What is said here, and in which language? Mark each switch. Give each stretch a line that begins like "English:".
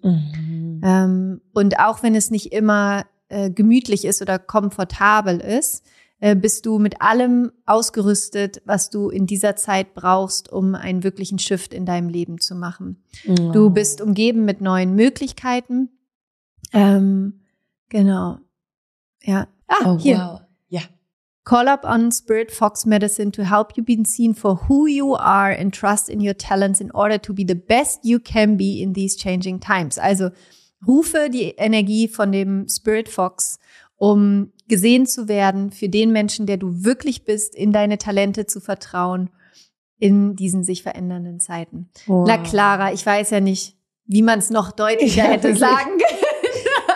German: Mhm. Und auch wenn es nicht immer gemütlich ist oder komfortabel ist, bist du mit allem ausgerüstet, was du in dieser Zeit brauchst, um einen wirklichen Shift in deinem Leben zu machen. Wow. Du bist umgeben mit neuen Möglichkeiten. Genau. Ja. Ah, oh, hier. Wow.
English: Call up on Spirit Fox Medicine to help you be seen for who you are and trust in your talents in order to be the best you can be in these changing times.
German: Also rufe die Energie von dem Spirit Fox, um gesehen zu werden für den Menschen, der du wirklich bist, in deine Talente zu vertrauen in diesen sich verändernden Zeiten. Wow. Na Clara, ich weiß ja nicht, wie man es noch deutlicher hätte sagen können.